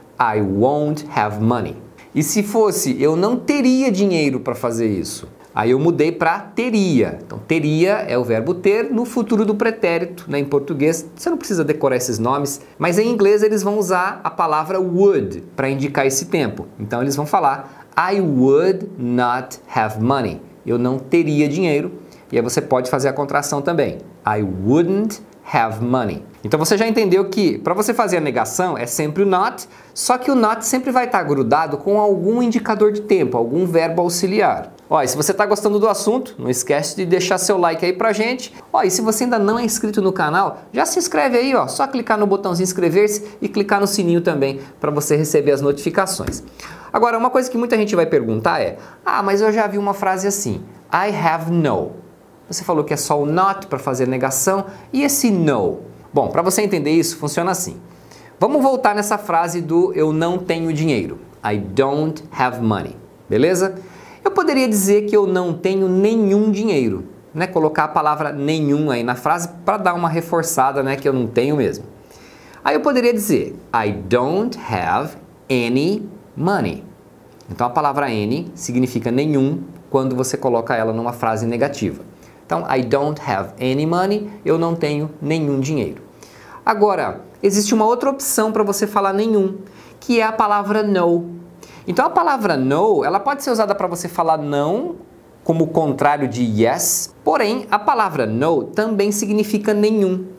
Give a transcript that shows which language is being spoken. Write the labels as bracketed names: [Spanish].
[English] I won't have money. [Portuguese] E se fosse, eu não teria dinheiro para fazer isso? Aí eu mudei para teria. Então, teria é o verbo ter no futuro do pretérito, né? Em português, você não precisa decorar esses nomes, mas em inglês eles vão usar a palavra would para indicar esse tempo. Então, eles vão falar [English] I would not have money. [Portuguese] Eu não teria dinheiro. E aí você pode fazer a contração também. [English] I wouldn't have money. [Portuguese] Então você já entendeu que para você fazer a negação é sempre o not, só que o not sempre vai estar grudado com algum indicador de tempo, algum verbo auxiliar. Ó, e se você está gostando do assunto, não esquece de deixar seu like aí pra gente. Ó, e se você ainda não é inscrito no canal, já se inscreve aí, ó. Só clicar no botãozinho inscrever-se e clicar no sininho também para você receber as notificações. Agora, uma coisa que muita gente vai perguntar é: ah, mas eu já vi uma frase assim, [English] I have no. [Portuguese] Você falou que é só o not para fazer negação, e esse no? Bom, para você entender isso, funciona assim. Vamos voltar nessa frase do eu não tenho dinheiro. [English] I don't have money. [Portuguese] Beleza? Eu poderia dizer que eu não tenho nenhum dinheiro, né? Colocar a palavra nenhum aí na frase para dar uma reforçada, né? Que eu não tenho mesmo. Aí eu poderia dizer [English] I don't have any money. [Portuguese] Então a palavra any significa nenhum quando você coloca ela numa frase negativa. [English] Então I don't have any money. [Portuguese] Eu não tenho nenhum dinheiro. Agora, existe uma outra opção para você falar nenhum, que é a palavra no. Então a palavra no, ela pode ser usada para você falar não, como o contrário de yes, porém a palavra no também significa nenhum.